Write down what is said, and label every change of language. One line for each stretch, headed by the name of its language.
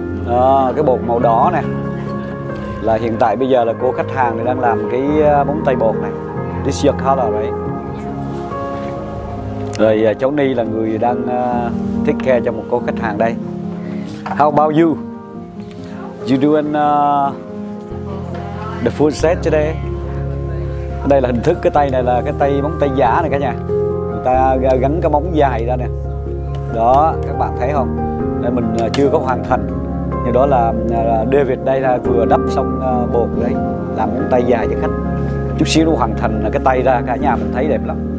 Vietnamese: À, cái bột màu đỏ nè. Là hiện tại bây giờ là cô khách hàng này đang làm cái bóng tay bột này.
English: This your color right?
Vietnamese: Rồi cháu Ni là người đang take care cho một cô khách hàng đây.
English: How about you? You doing the full set today.
Vietnamese: Đây là hình thức cái tay này là cái tay móng tay giả này cả nhà. Người ta gắn cái móng dài ra nè. Đó, các bạn thấy không? Đây mình chưa có hoàn thành. Như đó là David đây là vừa đắp xong bột đấy, làm móng tay dài cho khách. Chút xíu nó hoàn thành là cái tay ra cả nhà mình thấy đẹp lắm.